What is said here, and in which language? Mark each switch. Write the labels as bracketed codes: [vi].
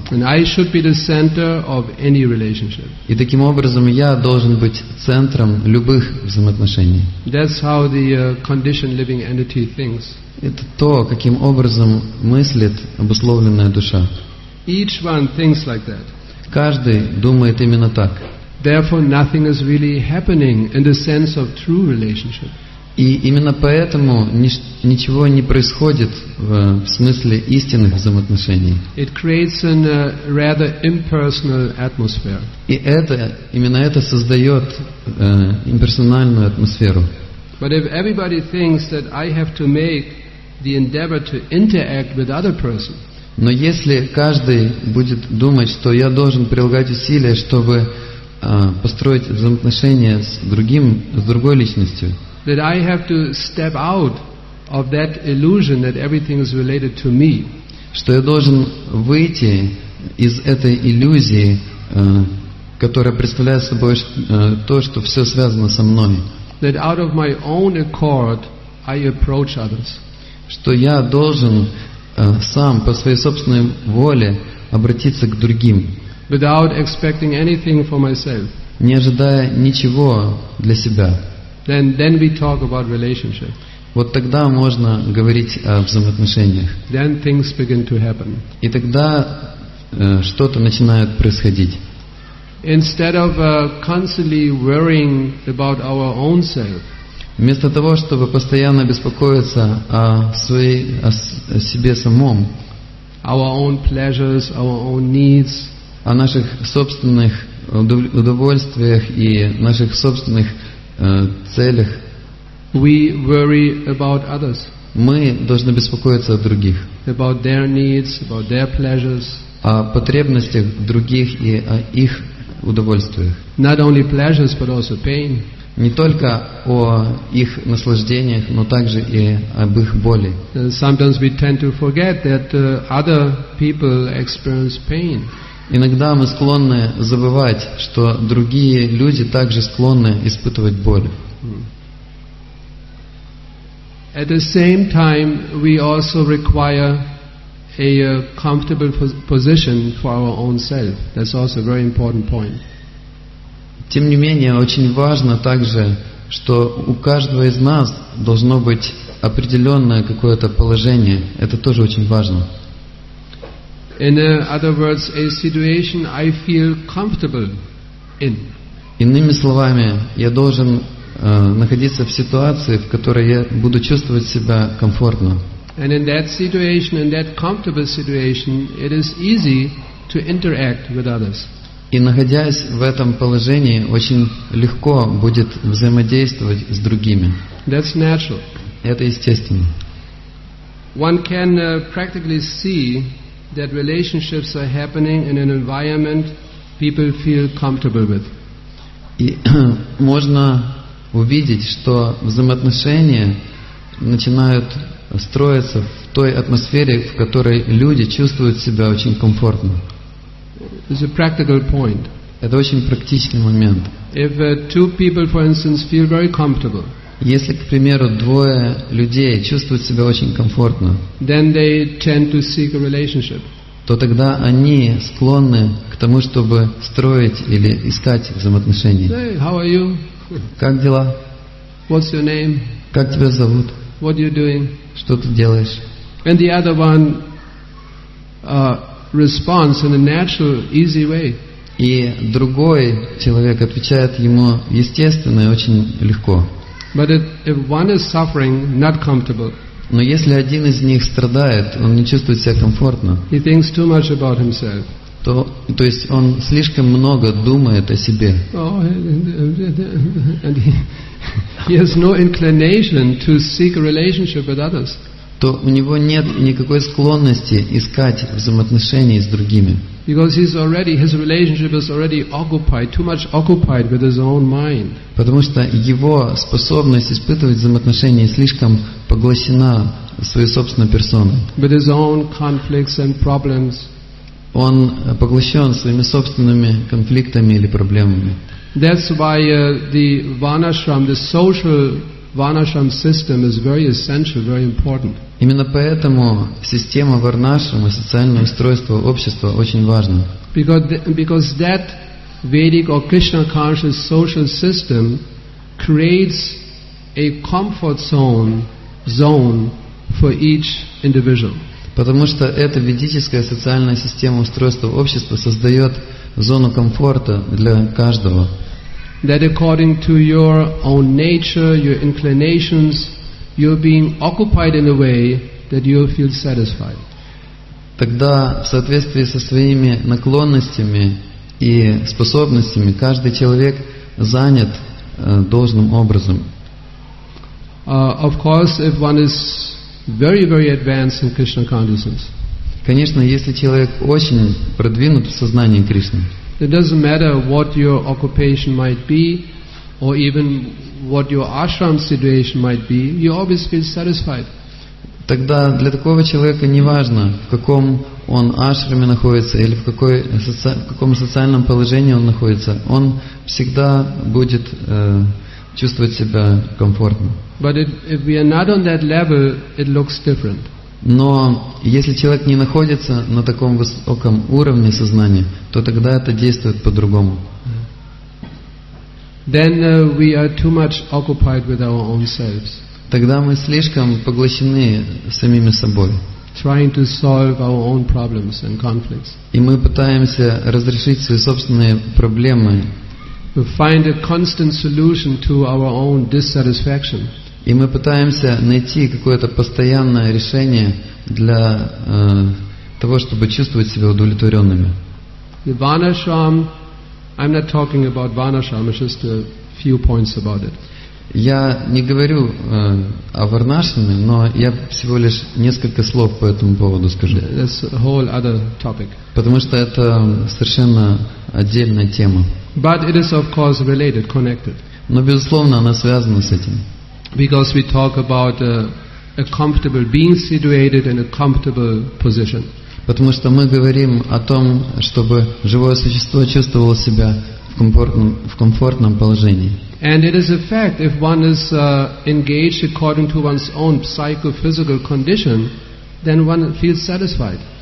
[en] And I should be the center of any relationship. [ru] И таким образом я должен быть центром любых взаимоотношений. [en] That's how the conditioned living entity thinks. [ru] Это то, каким образом мыслит обусловленная душа. [en] Each one thinks like that. [ru] Каждый думает именно так. [en] Therefore, nothing is really happening in the sense of true relationship. [ru] И именно поэтому ничего не происходит в смысле истинных взаимоотношений. [en] It creates an rather impersonal atmosphere. [ru] И это именно это создает имперсональную атмосферу. [en] But if everybody thinks that I have to make the endeavor to interact with other person. [ru] Но если каждый будет думать, что я должен прилагать усилия, чтобы построить взаимоотношения с другим, с другой личностью, [en] that I have to step out of that illusion that everything is related to me, [ru] что я должен выйти из этой иллюзии, которая представляет собой то, что все связано со мной, [en] that out of my own accord I approach others, [ru] что я должен сам по своей собственной воле обратиться к другим, [en] without expecting anything for myself, [ru] не ожидая ничего для себя, [en] then we talk about relationship. [ru] Вот тогда можно говорить о взаимоотношениях. [en] Then things begin to happen. [ru] И тогда что-то начинает происходить. [en] Instead of constantly worrying about our own self, [ru] вместо того, чтобы постоянно беспокоиться о себе самом, [en] our own pleasures, our own needs, [ru] о наших собственных удовольствиях и наших собственных целях, [en] we worry about others, [ru] мы должны беспокоиться о других, [en] about their needs, about their pleasures, [ru] о потребностях других и о их удовольствиях. [en] Not only pleasures, but also pain. [ru] Не только о их наслаждениях, но также и об их боли. [en] Sometimes we tend to forget that other people experience pain. [ru] Иногда мы склонны забывать, что другие люди также склонны испытывать боль. [en] At the same time, we also require a comfortable position for our own self. That's also a very important point. [ru] Тем не менее, очень важно также, что у каждого из нас должно быть определенное какое-то положение. Это тоже очень важно. [en] In other words, a situation I feel comfortable in. [ru] Иными словами, я должен находиться в ситуации, в которой я буду чувствовать себя комфортно. [en] And in that situation, in that comfortable situation, it is easy to interact with others. [ru] И находясь в этом положении, очень легко будет взаимодействовать с другими. [en] That's natural. [ru] Это естественно. [en] One can practically see that relationships are happening in an environment people feel comfortable with. [ru] И можно увидеть, что взаимоотношения начинают строиться в той атмосфере, в которой люди чувствуют себя очень комфортно. [en] It's a practical point. [ru] Это очень практичный момент. [en] If two people, for instance, feel very comfortable, [ru] если, к примеру, двое людей чувствуют себя очень комфортно, [en] then they tend to seek a relationship. [ru] То тогда они склонны к тому, чтобы строить или искать взаимоотношения. [en] Hey, how are you? [ru] Как дела? [en] What's your name? [ru] Как тебя зовут? [en] What are you doing? [ru] Что ты делаешь? [en] And the other one responds in a natural, easy way. [ru] И другой человек отвечает ему естественно и очень легко. [en] But if one is suffering, not comfortable. [ru] Но если один из них страдает, он не чувствует себя комфортно. [en] He thinks too much about himself. [ru] То есть он слишком много думает о себе. [en] Oh, and he has no inclination to seek a relationship with others. [ru] То у него нет никакой склонности искать взаимоотношения с другими. [en] Because he's already, his relationship is already occupied, too much occupied with his own mind. [ru] Потому что его способность испытывать взаимоотношения слишком поглощена своей собственной персоной. [en] With his own conflicts and problems. [ru] Он поглощен своими собственными конфликтами или проблемами. [en] That's why the Vanashram, the social Vanashram system is very essential, very important. [ru] Именно поэтому система Варнашрама, социальное устройство общества, очень важна. [en] Because that Vedic or Krishna conscious social system creates a comfort zone for each individual. [ru] Потому что эта ведическая социальная система устройства общества создает зону комфорта для каждого. [en] That according to your own nature, your inclinations, you're being occupied in a way that you feel satisfied. [ru] Тогда в соответствии со своими наклонностями и способностями каждый человек занят должным образом. [en] Of course, if one is very, very advanced in Krishna consciousness. [ru] Конечно, если человек очень продвинут в сознании Кришны. [en] It doesn't matter what your occupation might be, or even what your ashram situation might be, you always feel satisfied. [ru] Тогда для такого человека не важно, в каком он ашраме находится или в каком социальном положении он находится, он всегда будет чувствовать себя комфортно. [en] But if we are not on that level, it looks different. [ru] Но если человек не находится на таком высоком уровне сознания, то тогда это действует по-другому. [en] Then we are too much occupied with our own selves. [ru] Тогда мы слишком поглощены самими собой. [en] Trying to solve our own problems and conflicts. [ru] И мы пытаемся разрешить свои собственные проблемы. [en] We find a constant solution to our own dissatisfaction. [ru] И мы пытаемся найти какое-то постоянное решение для того, чтобы чувствовать себя удовлетворенными. [en] Vanashram, I'm not talking about Vanashram, it's just a few points about it. [ru] Я не говорю о Варнашраме, но я всего лишь несколько слов по этому поводу скажу. [en] That's a whole other topic. [ru] Потому что это совершенно отдельная тема. [en] But it is of course related, connected. [ru] Но безусловно она связана с этим. [en] Because we talk about a comfortable being situated in a comfortable position. [ru] Потому что мы говорим о том, чтобы живое существо чувствовало себя в комфортном положении. [en] And it is a fact if one is engaged according to one's own psychophysical condition, then one feels satisfied.